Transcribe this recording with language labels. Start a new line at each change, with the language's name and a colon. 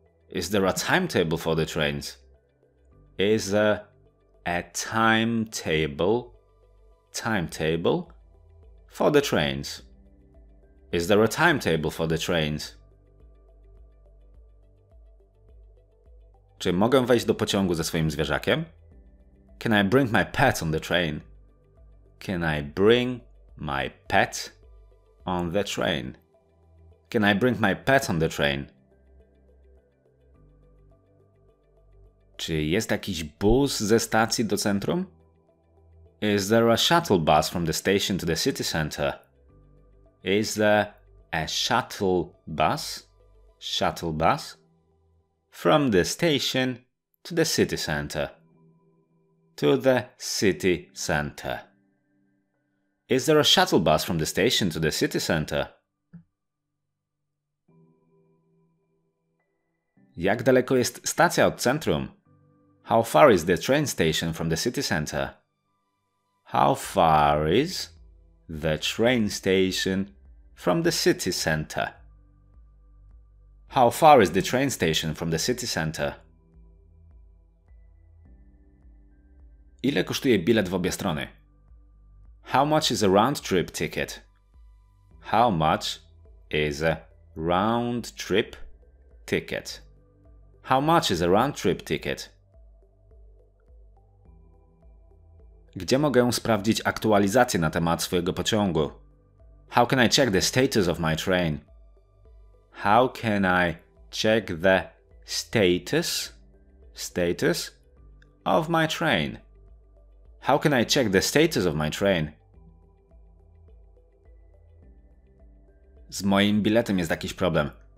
English: Is there a timetable for the trains? Is there a timetable for the trains? Is there a timetable for the trains?
Polish: Czy mogę wejść do pociągu ze swoim zwierzakiem?
English: Can I bring my pet on the train? Can I bring my pet on the train? Can I bring my pet on the train?
Polish: Czy jest jakiś bus ze stacji do centrum?
English: Is there a shuttle bus from the station to the city center? Is there a shuttle bus, shuttle bus, from the station to the city center. To the city center. Is there a shuttle bus from the station to the city center?
Polish: Jak daleko jest stacja od centrum?
English: How far is the train station from the city center? How far is the train station from the city center? How far is the train station from the city center?
Polish: Ile kosztuje bilet w obie strony?
English: How much is a round trip ticket? How much is a round trip ticket? How much is a round trip ticket?
Polish: Gdzie mogę sprawdzić aktualizację na temat swojego pociągu?
English: How can I check the status of my train? How can I check the status of my train? How can I check the status of my train?
Polish: Z moim biletem jest jakiś problem.